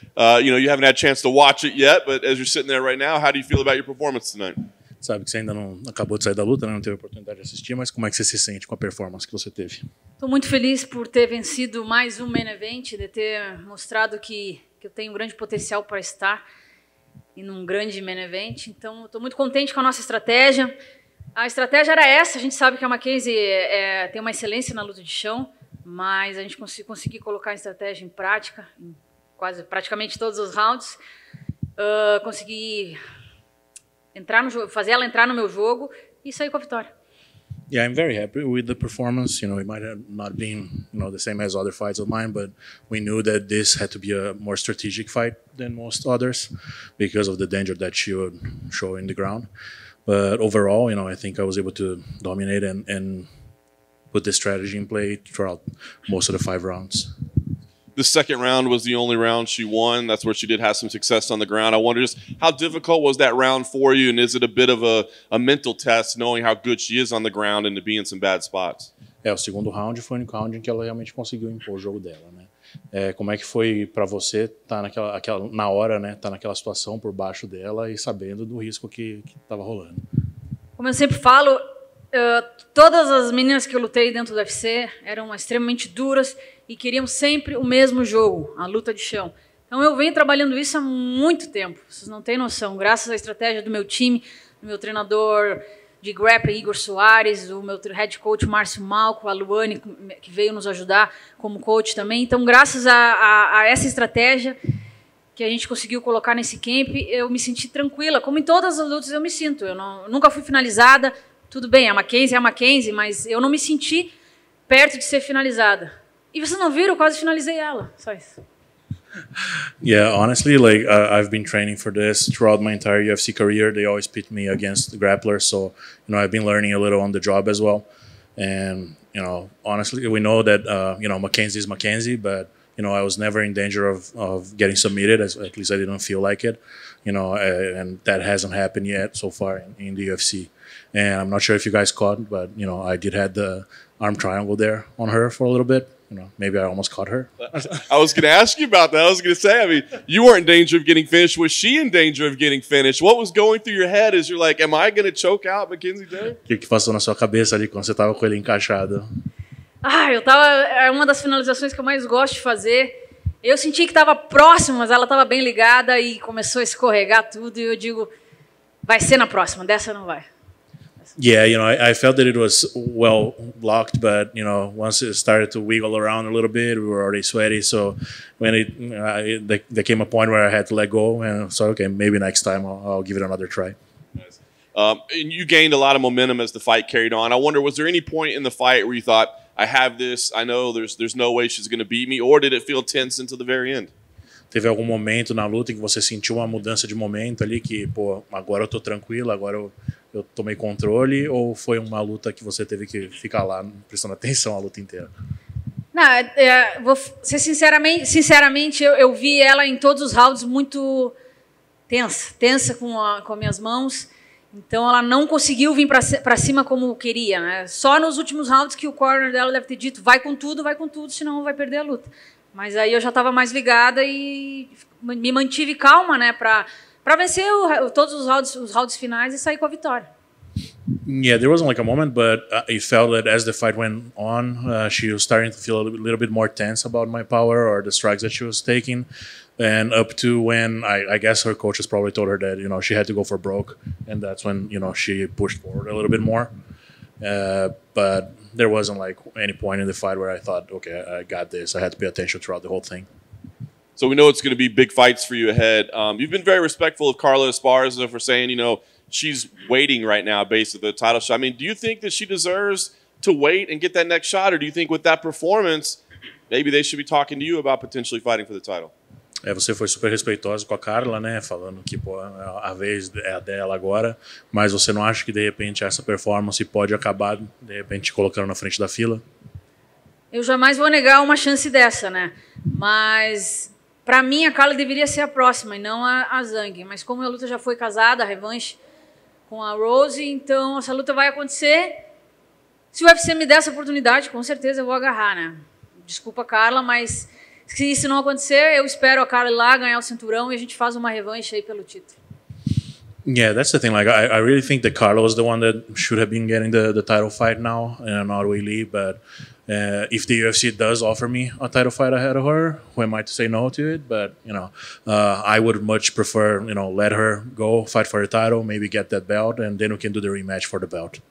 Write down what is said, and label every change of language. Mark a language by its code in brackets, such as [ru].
[en] You know, you haven't had a chance to watch it yet, but as you're sitting there right now, how do you feel about your performance tonight? [pt] Sabe que você ainda não acabou de sair da luta, né? Não teve a oportunidade de assistir, mas como é que você se sente com a performance que você teve? Estou muito feliz por ter vencido mais um main event, de ter mostrado que eu tenho um grande potencial para estar em um grande main event. Então, estou muito contente com a nossa estratégia. A estratégia era essa, a gente sabe que a McKenzie tem uma excelência na luta de chão, mas a gente conseguiu colocar a estratégia em prática, em quase praticamente todos os rounds. Consegui entrar no jogo, fazer ela entrar no meu jogo e sair com a vitória. [en] Yeah, I'm very happy with the performance. You know, it might have not been, you know, the same as other fights of mine, but we knew that this had to be a more strategic fight than most others because of the danger that she would show in the ground. But overall, you know, I think I was able to dominate and put the strategy in play throughout most of the five rounds. The second round was the only round she won. That's where she did have some success on the ground. I wonder just how difficult was that round for you, and is it a bit of a mental test knowing how good she is on the ground and to be in some bad spots? [pt] É, o segundo round foi um round em que ela realmente conseguiu impor o jogo dela, né? É, como é que foi para você estar naquela situação por baixo dela e sabendo do risco que estava rolando? Como eu sempre falo, todas as meninas que eu lutei dentro do UFC eram extremamente duras e queriam sempre o mesmo jogo, a luta de chão. Então eu venho trabalhando isso há muito tempo, vocês não têm noção. Graças à estratégia do meu time, do meu treinador de grappling, Igor Soares, o meu head coach, Márcio Malco, a Luane, que veio nos ajudar como coach também. Então graças a essa estratégia que a gente conseguiu colocar nesse camp, eu me senti tranquila, como em todas as lutas eu me sinto. Eu nunca fui finalizada. Tudo bem, é a McKenzie, mas eu não me senti perto de ser finalizada. E vocês não viram, quase finalizei ela. Só isso. [en] Yeah, honestly, like I've been training for this throughout my entire UFC career. They always pit me against the grapplers, so you know, I've been learning a little on the job as well. And you know, honestly, we know that you know, McKenzie is McKenzie, but you know, I was never in danger of getting submitted. At least I didn't feel like it. You know, and that hasn't happened yet so far in the UFC. And I'm not sure if you guys caught, but you know, I did have the arm triangle there on her for a little bit. You know, maybe I almost caught her. I was going to ask you about that. I was going to say, I mean, you weren't in danger of getting finished. Was she in danger of getting finished? What was going through your head as you're like, am I going to choke out McKenzie Dern? [pt] Que passou na sua cabeça ali quando você tava com ele encaixado? Ah, eu tava. É uma das finalizações que eu mais gosto de fazer. Eu senti que tava próximo, mas ela tava bem ligada e começou a escorregar tudo. E eu digo, vai ser na próxima. Dessa não vai. [en] Yeah, you know, I felt that it was well blocked, but you know, once it started to wiggle around a little bit, we were already sweaty. So when it, there came a point where I had to let go, and so okay, maybe next time I'll give it another try. Nice. And you gained a lot of momentum as the fight carried on. I wonder, was there any point in the fight where you thought, I have this, I know there's no way she's going to beat me, or did it feel tense until the very end? [pt] Teve algum momento na luta em que você sentiu uma mudança de momento ali que, pô, agora eu tô tranquilo, agora eu tomei controle, ou foi uma luta que você teve que ficar lá prestando atenção a luta inteira? Não, vou ser sinceramente eu vi ela em todos os rounds muito tensa com as minhas mãos. Então ela não conseguiu vir para cima como queria, né? Só nos últimos rounds que o corner dela deve ter dito, vai com tudo, senão vai perder a luta. Mas aí eu já estava mais ligada e me mantive calma, né, para vencer todos os rounds finais e sair com a vitória. [en] Yeah, there wasn't like a moment, but I felt that as the fight went on, she was starting to feel a little bit more tense about my power or the strikes that she was taking. And up to when, I guess her coaches probably told her that, you know, she had to go for broke. And that's when, you know, she pushed forward a little bit more. But there wasn't like any point in the fight where I thought, okay, I got this. I had to pay attention throughout the whole thing. So we know it's going to be big fights for you ahead. You've been very respectful of Carla Esparza for saying, you know, she's waiting right now, basically, the title shot. I mean, do you think that she deserves to wait and get that next shot? Or do you think with that performance, maybe they should be talking to you about potentially fighting for the title? [pt] É, você foi super respeitoso com a Carla, né, falando que pô, a vez é a dela agora, mas você não acha que de repente essa performance pode acabar de repente te colocando na frente da fila? Eu jamais vou negar uma chance dessa, né? Mas para mim a Carla deveria ser a próxima e não a Zhang, mas como a luta já foi casada, a revanche com a Rose, então essa luta vai acontecer. Se o UFC me der essa oportunidade, com certeza eu vou agarrar, né? desculpa, Carla, mas se isso não acontecer, eu espero a Carla ir lá ganhar o cinturão e a gente faz uma revanche aí pelo título. [en] Yeah, that's the thing. Like, I really think that Carla was the one that should have been getting the title fight now, and not Willie. But if the UFC does offer me a title fight ahead of her, who am I to say no to it? But you know, I would much prefer, you know, let her go fight for a title, maybe get that belt, and then we can do the rematch for the belt.